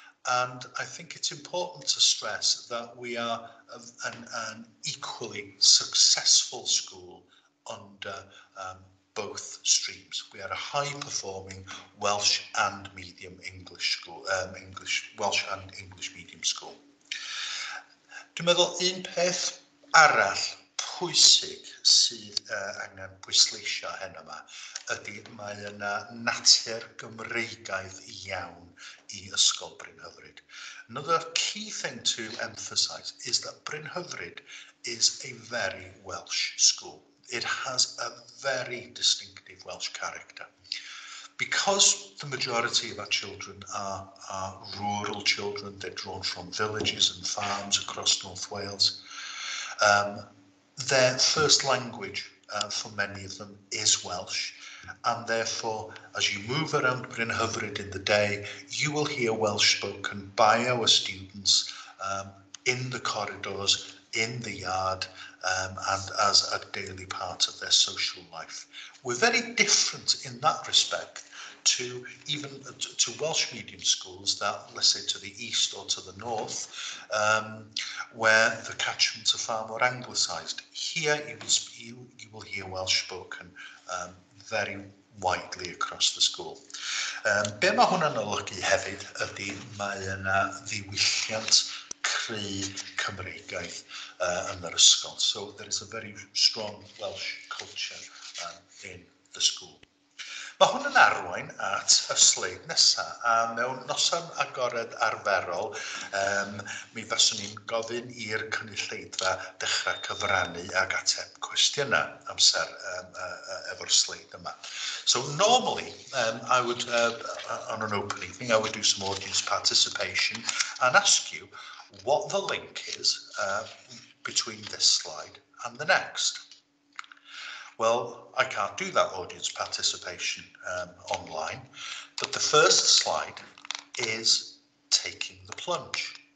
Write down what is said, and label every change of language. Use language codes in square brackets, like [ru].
[en] And I think it's important to stress that we are an equally successful school under both streams. We are a high-performing Welsh and medium English school, English Welsh and English medium school. [cy] Dwi'n meddwl un peth arall pwysig sydd angen pwysleisio hyn yma ydy mae yna natur Gymreigaidd iawn I Ysgol Brynhyfryd. [en] Another key thing to emphasise is that Brynhyfryd is a very Welsh school. It has a very distinctive Welsh character. Because the majority of our children are rural children, they're drawn from villages and farms across North Wales, their first language for many of them is Welsh. And therefore, as you move around Brynhyfryd in the day, you will hear Welsh spoken by our students in the corridors, in the yard, and as a daily part of their social life. We're very different in that respect to even to Welsh medium schools that, let's say, to the east or to the north, where the catchments are far more anglicised. Here, you will hear Welsh spoken very widely across the school. [cy] Be mae hwnna'n olygu hefyd ydy mae yna ddiwylliant creu Cymreigaeth yn yr ysgol. [en] So there is a very strong Welsh culture in the school. [cy] Mae hwn yn arwain at y sleid nesaf, a mewn noson agored arferol, mi faswn ni'n gofyn i'r cynulleidfa dechrau cyfrannu ag ateb cwestiynau amser efo'r sleid yma. [en] So normally, I would, on an opening thing, I would do some audience participation and ask you what the link is between this slide and the next. Well, I can't do that audience participation online, but the first slide is taking the plunge.